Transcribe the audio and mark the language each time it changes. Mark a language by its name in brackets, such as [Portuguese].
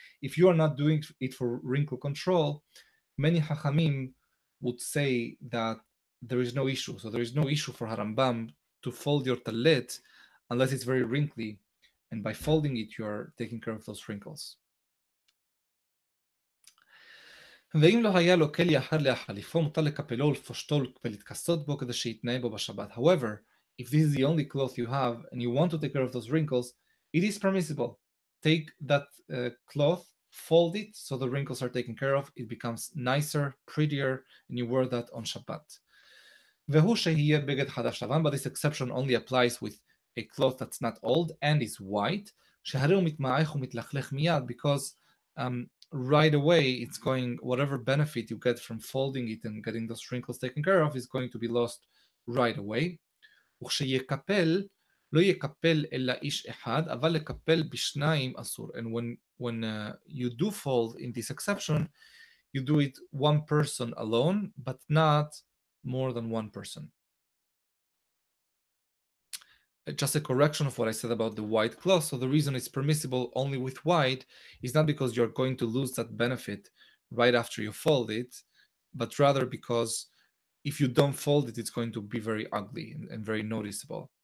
[English] If you are not doing it for wrinkle control, many hachamim would say that there is no issue. So there is no issue for harambam to fold your talit unless it's very wrinkly. And by folding it, you are taking care of those wrinkles. [Hebrew] ואם לא היה לו כלי אחר להחליפו, מותר לקפלו ולפשטו ולהתכסות בו כדי שיתנאי בו בשבת. [English] However, if this is the only cloth you have and you want to take care of those wrinkles, it is permissible. Take that cloth, fold it so the wrinkles are taken care of, it becomes nicer, prettier, and you wear that on Shabbat. [Hebrew] והוא שיהיה בגד חדש לבן, [English] but this exception only applies with a cloth that's not old and is white, [Hebrew] שהרי הוא מתמעך ומתלכלך מיד, [English] because right away it's going, whatever benefit you get from folding it and getting those wrinkles taken care of is going to be lost right away. [Hebrew] וכשיקפל, לא יקפל אלא איש אחד, אבל לקפל בשניים אסור. [English] And when you do fall in this exception, you do it one person alone, but not more than one person. Just a correction of what I said about the white cloth. So the reason it's permissible only with white is not because you're going to lose that benefit right after you fold it, but rather because if you don't fold it, it's going to be very ugly and very noticeable.